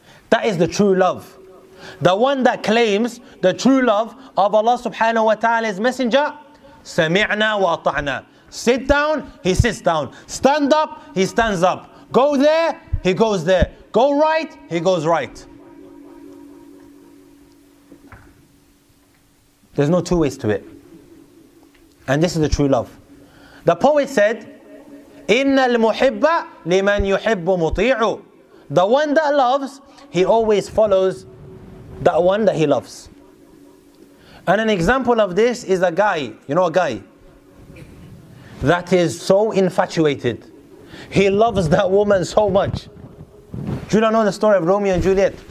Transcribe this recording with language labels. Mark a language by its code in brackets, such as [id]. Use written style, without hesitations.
[en] That is the true love. The one that claims the true love of Allah subhanahu wa ta'ala's messenger, [ar] سَمِعْنَا وَأَطَعْنَا. [en] Sit down, he sits down. Stand up, he stands up. Go there, he goes there. Go right, he goes right. There's no two ways to it. And this is the true love. The poet said, [ar] إِنَّ الْمُحِبَّ لِمَنْ يُحِبُّ مُطِيعُ. [en] The one that loves, he always follows that one that he loves. And an example of this is a guy, you know, a guy that is so infatuated. He loves that woman so much. Do you not know the story of Romeo and Juliet?